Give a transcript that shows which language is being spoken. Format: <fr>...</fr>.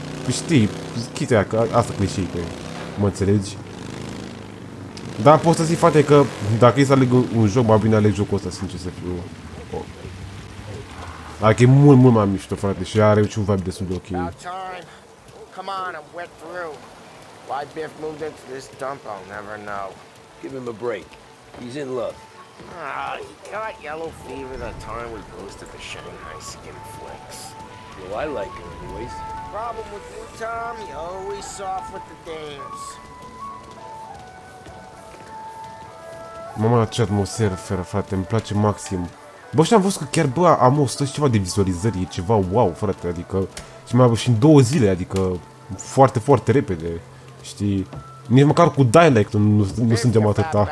<ro>Știi, chitea, asta clișeică, mă înțelegi? Dar pot să zic, frate, că dacă e să aleg un joc, mai bine aleg jocul ăsta, sincer să fiu. Adică e mult, mult mai mișto, frate, și are un vibe destul de ok.</ro> <en>Come on, I'm wet through. Why Biff moved into this dump, I'll never know. Give him a break. He's in love. He got yellow fever the time we posted the Shanghai skin flicks. Well, I like him anyways. Problem with you, Tom, you always soft with the dames.</en> <ro>Mama, ce atmosferă, frate, îmi place maxim. Bă, și am văzut că chiar, bă, am 100 și ceva de vizualizări, e ceva wow, frate, adică... Și mai avut și în două zile, adică... Foarte, foarte repede, știi? Nici măcar cu dialect nu suntem atâta.</ro>